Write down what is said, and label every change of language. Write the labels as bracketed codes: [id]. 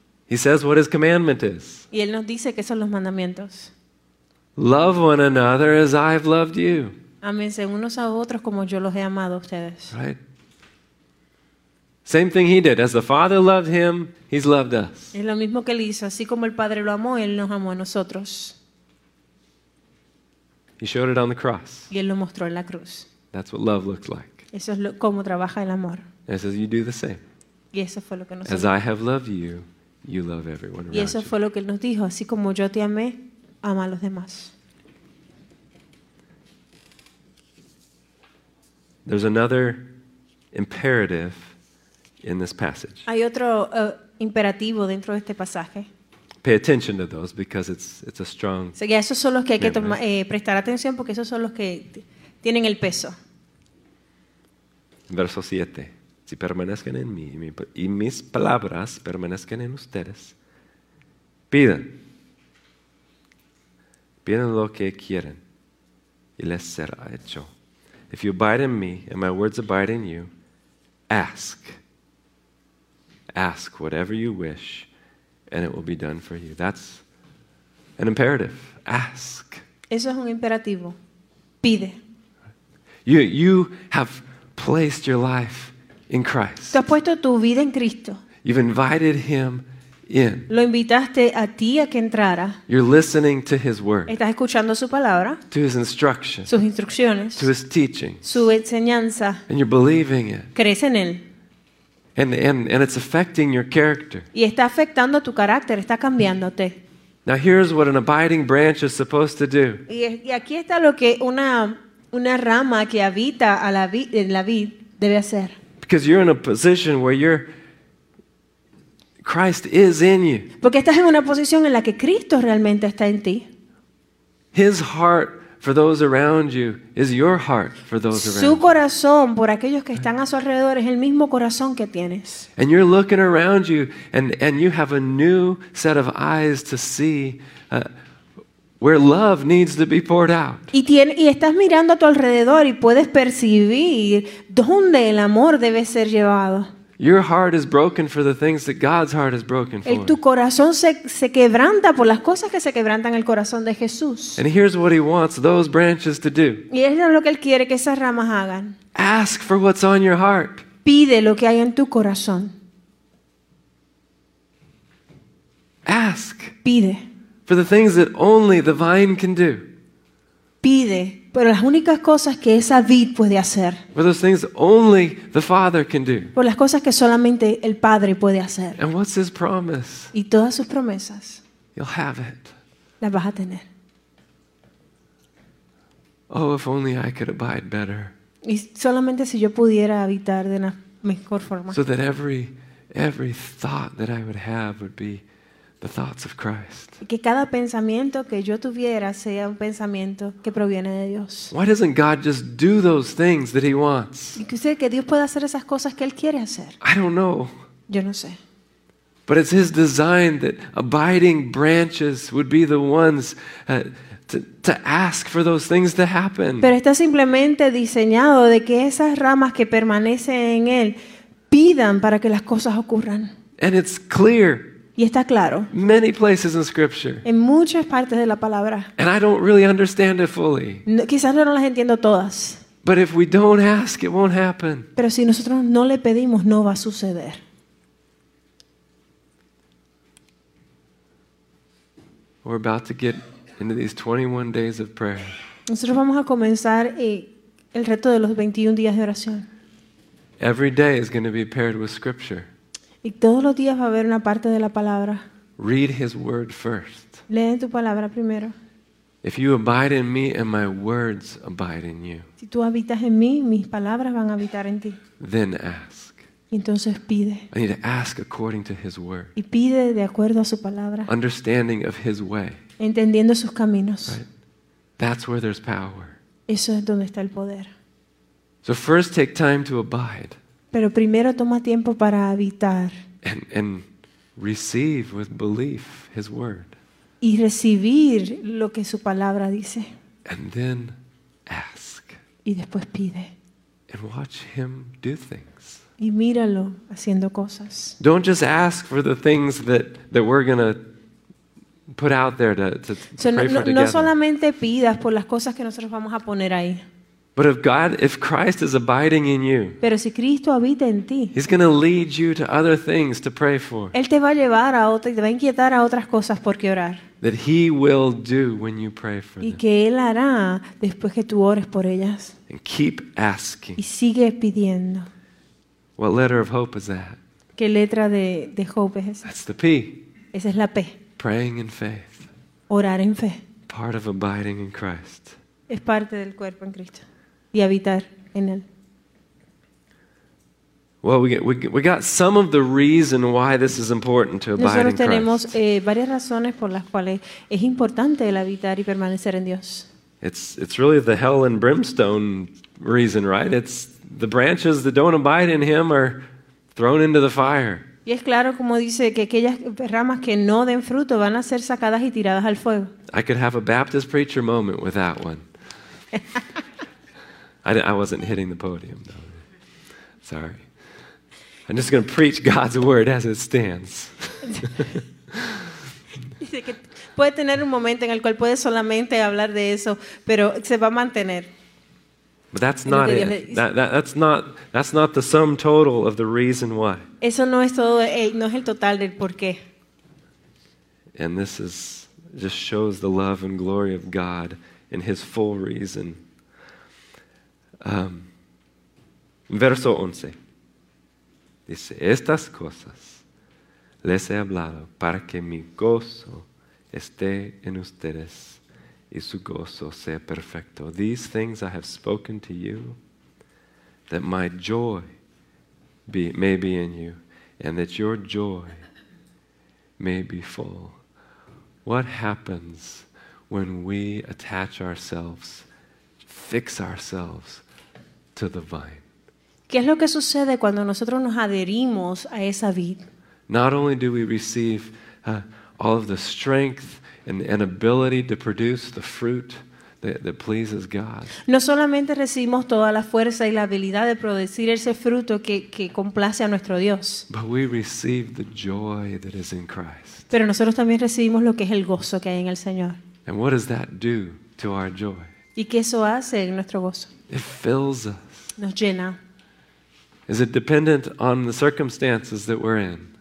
[en] he says what his commandment is. [es] Y él nos dice que son los mandamientos. [en] Love one another as I've loved you. [es] Ámense unos a otros como yo los he amado a ustedes. [en] Right. Same thing he did. As the Father loved him, he's loved us. [es] Es lo mismo que él hizo. Así como el Padre lo amó, él nos amó a nosotros. [en] He showed it on the cross. [es] Y él lo mostró en la cruz. [en] That's what love looks like. [es] Eso es cómo trabaja el amor. [en] And says you do the same. [es] Y eso fue lo que nos [en] As I have loved you, you love everyone around you. [es] Y eso fue lo que él nos dijo. Así como yo te amé, ama a los demás. [en] There's another imperative in this passage. [es] Hay otro imperativo dentro de este pasaje. [en] Pay attention to those because it's a strong. [es] Sí, esos son los que hay que prestar atención porque esos son los que tienen el peso. Verso 7. Si permanezcan en mí y mis palabras permanezcan en ustedes, pidan. Pidan lo que quieren y les será hecho. [en] If you abide in me and my words abide in you, ask. Ask whatever you wish and it will be done for you. That's an imperative. Ask. [es] Eso es un imperativo. Pide. [en] You have placed your life in Christ. [es] Te has puesto tu vida en Cristo. [en] You've invited him in. [es] Lo invitaste a ti a que entrara. [en] You're listening to his word. [es] Estás escuchando su palabra. [en] To his instructions. [es] Sus instrucciones. [en] To his teaching. [es] Su enseñanza. [en] And you're believing it. [es] Crees en él. [en] And it's affecting your character. [es] Y está afectando tu carácter, está cambiándote. [en] Now here's what an abiding branch is supposed to do. [es] Y aquí está lo que una rama que habita a la vid, en la vid debe hacer. [en] Because you're in a position where you're Christ is in you. [es] Porque estás en una posición en la que Cristo realmente está en ti. [en] His heart for those around you is your heart for those around you. [es] Su corazón por aquellos que están a su alrededor es el mismo corazón que tienes. [en] And you're looking around you and you have a new set of eyes to see where love needs to be poured out. [es] Y estás mirando a tu alrededor y puedes percibir dónde el amor debe ser llevado. [en] Your heart is broken for the things that God's heart is broken for. [es] Tu corazón se quebranta por las cosas que se quebrantan en el corazón de Jesús. [en] And here's what he wants those branches to do. [es] Y eso es lo que él quiere que esas ramas hagan. [en] Ask for what's on your heart. [es] Pide lo que hay en tu corazón. [en] Ask. [es] Pide. [en] For the things that only the vine can do. [es] Pide. Por las únicas cosas que esa vid puede hacer. [en] For those things only the Father can do. [es] Por las cosas que solamente el Padre puede hacer. [en] And what's his promise? [es] Y todas sus promesas. [en] You'll have it. [es] Las vas a tener. [en] Oh, if only I could abide better. [es] Y solamente si yo pudiera habitar de una mejor forma. [en] So that every thought that I would have would be the thoughts of Christ. [es] Que cada pensamiento que yo tuviera sea un pensamiento que proviene de Dios. [en] Why doesn't God just do those things that he wants? [es] ¿Y qué sé que Dios puede hacer esas cosas que él quiere hacer? [en] I don't know. [es] Yo no sé. [en] But it's his design that abiding branches would be the ones to ask for those things to happen. [es] Pero está simplemente diseñado de que esas ramas que permanecen en él pidan para que las cosas ocurran. [en] And it's clear. [es] Y está claro. [en] Many places in scripture. [es] En muchas partes de la palabra. [en] And I don't really understand it fully. [es] No, quizás no las entiendo todas. [en] But if we don't ask, it won't happen. [es] Pero si nosotros no le pedimos, no va a suceder. [en] We're about to get into these 21 days of prayer. [es] Nosotros vamos a comenzar el reto de los 21 días de oración. [en] Every day is going to be paired with scripture. [es] Y todos los días va a haber una parte de la palabra. [en] Read his word first. [es] Lee tu palabra primero. [en] If you abide in me and my words abide in you. [es] Si tú habitas en mí, mis palabras van a habitar en ti. [en] Then ask. [es] Y entonces pide. [en] I need to ask according to his word. [es] Y pide de acuerdo a su palabra. [en] Understanding of his way. [es] Entendiendo sus caminos. [en] Right? That's where there's power. [es] Eso es donde está el poder. [en] So first take time to abide. [es] Pero primero toma tiempo para habitar. [en] And receive with belief his word. [es] Y recibir lo que su palabra dice. [en] And then ask. [es] Y después pide. [en] And watch him do things. [es] Y míralo haciendo cosas. [en] Don't just ask for the things that we're going to put out there to pray for together. [es] No solamente pidas por las cosas que nosotros vamos a poner ahí. [en] But if Christ is abiding in you, [es] pero si Cristo habita en ti, [en] he's going to lead you to other things to pray for. [es] Él te va a llevar a otro, te va a inquietar a otras cosas por qué orar. [en] That he will do when you pray for them. [es] Y que él hará después que tú ores por ellas. [en] And keep asking. [es] Y sigue pidiendo. [en] What letter of hope is that? [es] ¿Qué letra de hope es esa? [en] That's the P. [es] Esa es la P. [en] Praying in faith. [es] Orar en fe. [en] Part of abiding in Christ. [es] Es parte del cuerpo en Cristo. Y habitar en él. [en] Well, we got some of the reason why this is important to abide in Christ. [es] Nosotros tenemos varias razones por las cuales es importante el habitar y permanecer en Dios. [en] It's really the hell and brimstone reason, right? It's the branches that don't abide in him are thrown into the fire. [es] Y es claro, como dice, que aquellas ramas que no den fruto van a ser sacadas y tiradas al fuego. [en] I could have a Baptist preacher moment with that one. I wasn't hitting the podium, though. Sorry. I'm just going to preach God's word as it stands. [es] Dice que puede tener un momento en el cual puede solamente hablar de eso, pero se va a mantener. [en] But that's not it. That's not the sum total of the reason why. [es] Eso no es todo, no es el total del por qué. [en] And this is just shows the love and glory of God in his full reason. [es] Verso 11. Dice, estas cosas les he hablado para que mi gozo esté en ustedes y su gozo sea perfecto. [en] These things I have spoken to you, that my joy may be in you, and that your joy may be full. What happens when we attach ourselves, fix ourselves to the vine? [es] ¿Qué es lo que sucede cuando nosotros nos adherimos a esa vid? [en] Not only do we receive all of the strength and ability to produce the fruit that pleases God. [es] No solamente recibimos toda la fuerza y la habilidad de producir ese fruto que complace a nuestro Dios. [en] But we receive the joy that is in Christ. [es] Pero nosotros también recibimos lo que es el gozo que hay en el Señor. [en] And what does that do to our joy? [es] ¿Y qué eso hace en nuestro gozo? [en] It fills us. [es] Nos llena. [en] Is it dependent on the circumstances that we're in?